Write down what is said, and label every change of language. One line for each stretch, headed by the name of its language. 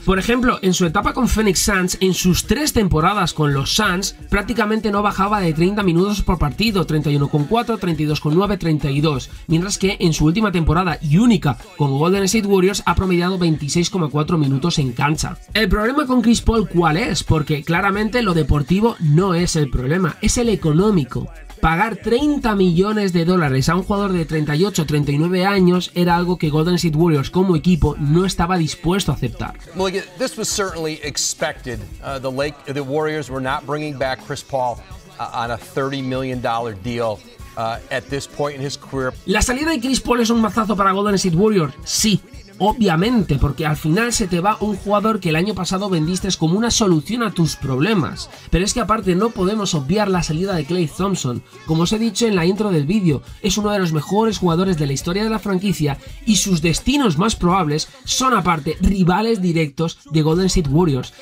Spanish: Por ejemplo, en su etapa con Phoenix Suns, en sus 3 temporadas con los Suns, prácticamente no bajaba de 30 minutos por partido, 31,4, 32,9, 32, mientras que en su última temporada y única con Golden State Warriors ha promediado 26,4 minutos en cancha. ¿El problema con Chris Paul cuál es? Porque claramente lo deportivo no es el problema, es el económico. Pagar 30 millones de dólares a un jugador de 38 o 39 años era algo que Golden State Warriors como equipo no estaba dispuesto a aceptar.
English: Well, this was certainly expected. The Warriors were not bringing back Chris Paul on a $30 million deal at this point in his career.
Spanish: ¿La salida de Chris Paul es un mazazo para Golden State Warriors? Sí. Obviamente, porque al final se te va un jugador que el año pasado vendiste como una solución a tus problemas. Pero es que aparte no podemos obviar la salida de Klay Thompson. Como os he dicho en la intro del vídeo, es uno de los mejores jugadores de la historia de la franquicia y sus destinos más probables son aparte rivales directos de Golden State Warriors.